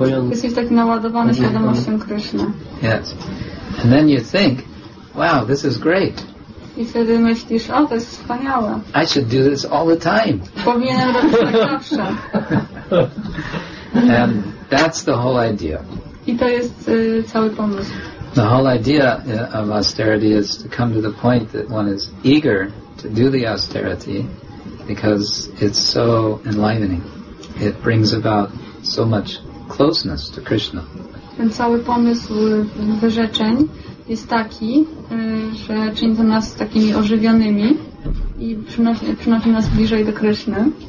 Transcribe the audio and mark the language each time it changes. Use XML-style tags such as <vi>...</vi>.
<pl>Jesteś taki naładowany świadomością Krishna.</pl> <en>Yes. And then you think, wow, this is great.</en> <pl>I wtedy myślisz, o, to jest wspaniałe.</pl> <en>I should do this all the time.</en> <pl>Powinienem robić tak zawsze.</pl> <en>And that's the whole idea.</en> <pl>I to jest cały pomysł.</pl> <en>The whole idea of austerity is to come to the point that one is eager to do the austerity because it's so enlivening. It brings about so much closeness to Krishna.</en> <pl>Ten cały pomysł wyrzeczeń jest taki, że czyni to nas takimi ożywionymi i przynosi nas bliżej do Krishna.</pl>